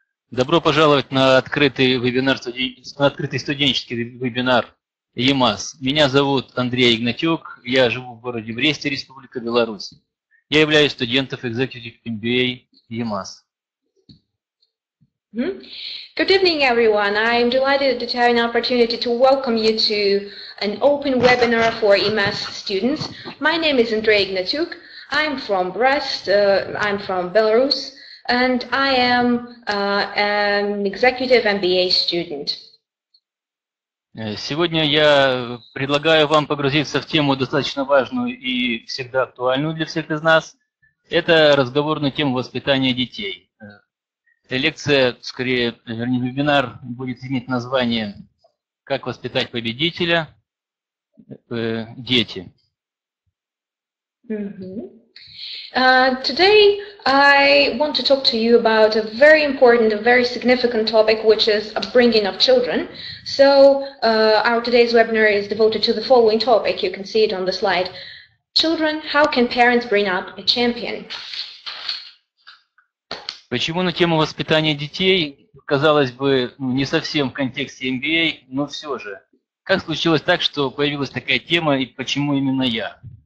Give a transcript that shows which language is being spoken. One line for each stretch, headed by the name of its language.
Russian: Добро пожаловать на открытый вебинар, на открытый студенческий вебинар ЕМАС. Меня зовут Андрей Игнатюк. Я живу в городе Бресте, Республика Беларусь. Я являюсь студентом Executive MBA ЕМАС.
English: Good evening, everyone. I'm delighted to have an opportunity to welcome you to an open webinar for EMAS students. My name is Andrei Ignatiuk. I'm from Brest. I'm from Belarus. And I am an executive MBA student.
Russian: Сегодня я предлагаю вам погрузиться в тему достаточно важную и всегда актуальную для всех из нас. Это разговор на тему воспитания детей. Лекция, скорее, вернее, вебинар будет иметь название «Как воспитать победителя? Дети».
English: Today I want to talk to you about a very important, a very significant topic, which is upbringing of children. So our today's webinar is devoted to the following topic. You can see it on the slide. Children, how can parents bring up a champion?
Russian: Почему на тему воспитания детей, казалось бы, не совсем в контексте MBA, но все же? Как случилось так, что появилась такая тема, и почему именно я?